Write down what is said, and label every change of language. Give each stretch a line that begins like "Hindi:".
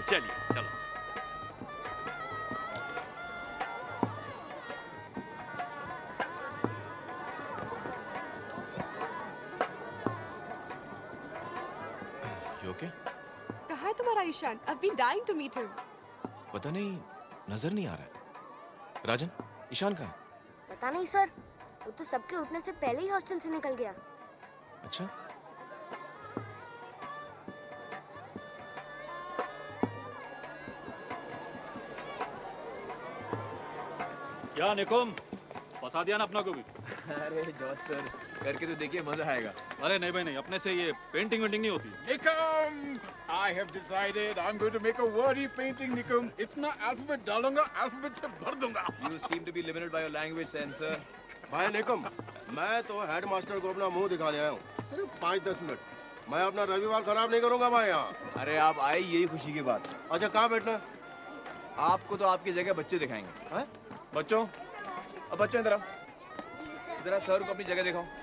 Hindi: चलिए, चलो.
English: You okay?
Hindi: कहाँ तुम्हारा Ishan?
English: I've been dying to meet him.
Hindi: पता नहीं, नजर नहीं आ रहा है. राजन, ईशान कहाँ है? पता नहीं सर, वो तो सबके उठने से पहले ही हॉस्टल से निकल गया. अच्छा, या निकुम, फंसा दिया ना अपना को भी. अरे जॉस सर, करके तो देखिए मजा आएगा. अरे नहीं भाई नहीं, अपने से ये पेंटिंग वेंटिंग नहीं होती.
English: Nikum, I have decided I'm going to make a wordy painting.
Hindi: Nikum, इतना अल्फाबेट डालूंगा, अल्फाबेट से भर दूंगा.
English: You seem to be limited by your language sense, sir.
Hindi: भाई निकुम, मैं तो हेडमास्टर को अपना मुंह दिखाने आया हूँ. सिर्फ 5-10 मिनट, मैं अपना रविवार खराब नहीं करूंगा भाई यहाँ. अरे आप आए यही खुशी की बात. अच्छा कहाँ बैठना? आपको तो आपकी जगह बच्चे दिखाएंगे. बच्चों, अब बच्चों जरा जरा सर को अपनी जगह दिखाओ.